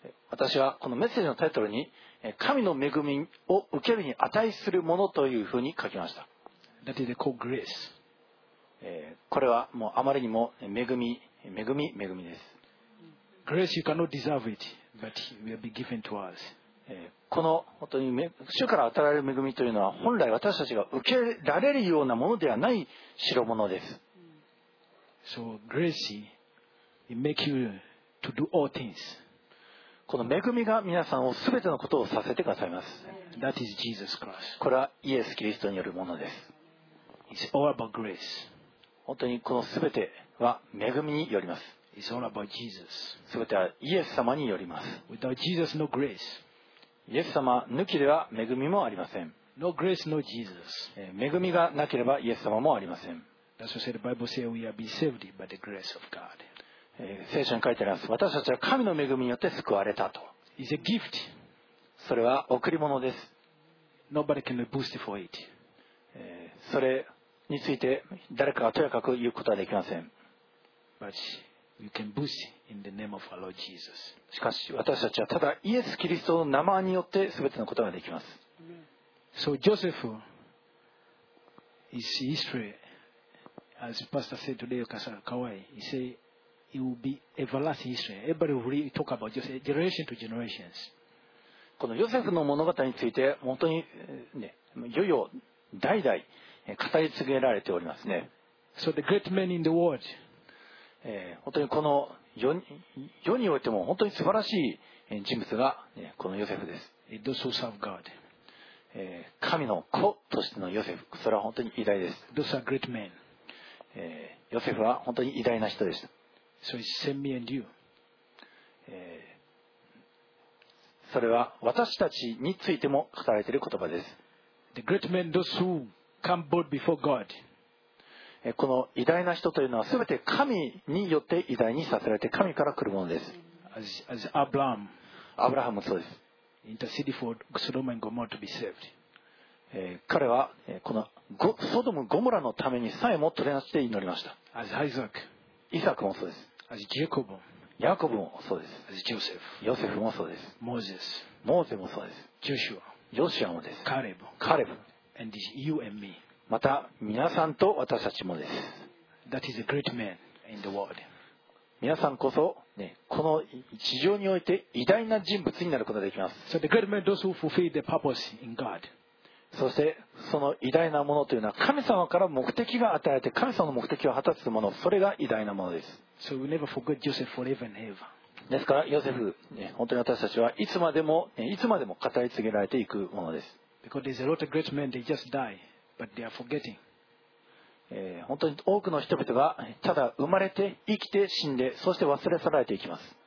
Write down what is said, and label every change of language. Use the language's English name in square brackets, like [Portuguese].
[Japanese] 私はこのメッセージのタイトルに神の恵みを受けるに値するものというふうに書きました。 [English] That is called grace. [Japanese] これはもうあまりにも恵みです。 [English] Grace, you cannot deserve it, but it will be given to us. [Japanese] この本当に主から与えられる恵みというのは本来私たちが受けられるようなものではない代物です。 [English] So grace it make you to do all things. [Japanese] この恵みが皆さんを全てのことをさせてくださいます。 [English] That is Jesus Christ. [Japanese] これはイエス・キリストによるものです。 [English] It's all about grace. [Japanese] 本当にこの全ては恵みによります。 [English] It's all about Jesus. [Japanese] 全てはイエス様によります。 [English] Without Jesus, no grace. [Japanese] イエス様抜きでは恵みもありません。 [English] No grace, no Jesus. [Japanese] 恵みがなければイエス様もありません。 [English] That's what the Bible says, we are being saved by the grace of God. [Japanese] 聖書に書いてあります。私たちは神の恵みによって救われたと。 [English] It's a gift. [Japanese] それは贈り物です。 [English] Nobody can boast for it. [Japanese] それについて誰かがとやかく言うことはできません。 [English] But we can boast. In the name of our Lord Jesus. [Japanese] しかし私たちはただイエス・キリストの名前によって全てのことができます。 [English] So Joseph is history, as Pastor said today, Kasa Kawai. He said it will be everlasting history. Everybody will really talk about Joseph, generation to generations. [Japanese] このヨセフの物語について本当にね、いよいよ代々語り継げられておりますね。 [English] So the great men in the world. [Japanese] 本当にこの世においても本当に素晴らしい人物がこのヨセフです。 [English] Those who serve God. [Japanese] 神の子としてのヨセフ、それは本当に偉大です。 [English] Those are great men. [Japanese] ヨセフは本当に偉大な人でした。 [English] So it's send me and you. [Japanese] それは私たちについても語られている言葉です。 [English] The great men, those who come bold before God. [Japanese] この偉大な人というのは全て神によって偉大にさせられて神から来るものです。 [English] as Abraham, [Japanese] アブラハムもそうです。 [English] Intercede for Sodom and Gomorrah to be saved. [Japanese] 彼はこのソドム・ゴモラのためにさえも取り出して祈りました。 [English] as Isaac, [Japanese] イサクもそうです。 [English] as Jacob, [Japanese] ヤコブもそうです。 [English] as Joseph, [Japanese] ヨセフもそうです。 [English] Moses, [Japanese] モーゼもそうです。 [English] Joshua, [Japanese] ヨシアもです。 [English] Caleb, [Japanese] カレブ。 [English] and you and me [Japanese] また皆さんと私たちもです。 [English] That is a great man in the world. [Japanese] 皆さんこそ、ね、この地上において偉大な人物になることができます。 [English] So the great men, those who fulfill their purpose in God. [Japanese] そしてその偉大なものというのは神様から目的が与えられて神様の目的を果たすもの、それが偉大なものです。 [English] So we never forget Joseph forever and ever. [Japanese] ですからヨセフ、ね、本当に私たちはいつまでも、ね、いつまでも語り継げられていくものです。 [English] Because there's a lot of great men, they just die. But they are forgetting. [Japanese] 本当に多くの人々がただ生まれて生きて死んでそして忘れ去られていきます。